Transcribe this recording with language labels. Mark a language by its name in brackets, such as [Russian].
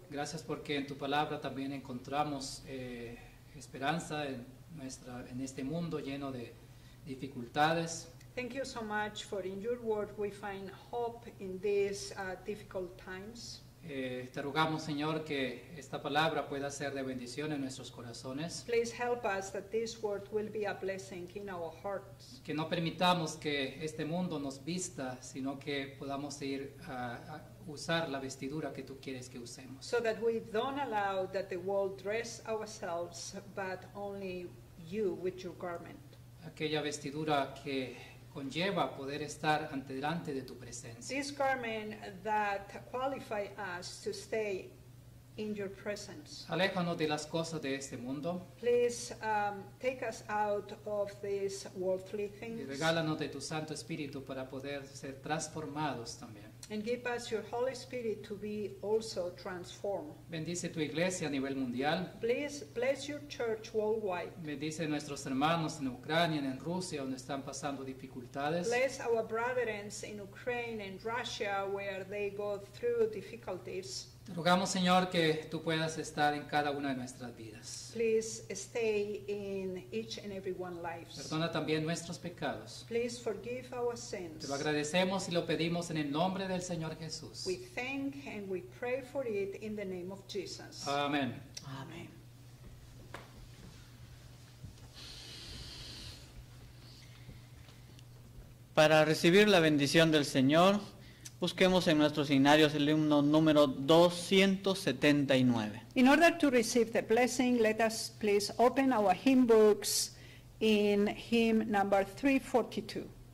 [Spanish] Gracias porque en tu palabra también encontramos esperanza en este mundo lleno de dificultades. [English] Thank you so much for in your word we find hope in these difficult times. [Spanish] Te rogamos, Señor, que esta palabra pueda ser de bendición en nuestros corazones. [English] Please help us that this word will be a blessing in our hearts. [Spanish] Que no permitamos que este mundo nos vista, sino que podamos seguir a usar la vestidura que tú quieres que usemos. [English] So that we don't allow that the world dress ourselves, but only you with your garment. [Spanish] Aquella vestidura que conlleva poder estar ante delante de tu presencia. [English] This garment that qualifies us to stay in your presence. [Spanish] Aléjanos de las cosas de este mundo. [English] Please take us out of these worldly things. [Spanish] Y regálanos de tu Santo Espíritu para poder ser transformados también. [English] And give us your Holy Spirit to be also transformed. [Spanish] Bendice tu iglesia a nivel mundial. [English] Please bless your church worldwide. [Spanish] Bendice nuestros hermanos en Ucrania, en Rusia, donde están pasando dificultades. [English] Bless our brethren in Ukraine and Russia, where they go through difficulties. [Spanish] Te rogamos, Señor, que tú puedas estar en cada una de nuestras vidas. [English] Please stay in each and every one's lives. [Spanish] Perdona también nuestros pecados. [English] Please forgive our sins. [Spanish] Te lo agradecemos y lo pedimos en el nombre del Señor Jesús. [English] We thank and we pray for it in the name of Jesus. [Spanish] Amén. Amén. Para recibir la bendición del Señor, busquemos en nuestros himnarios el himno número 279. [English] In order to receive the blessing, let us please open our hymn books in hymn number 342.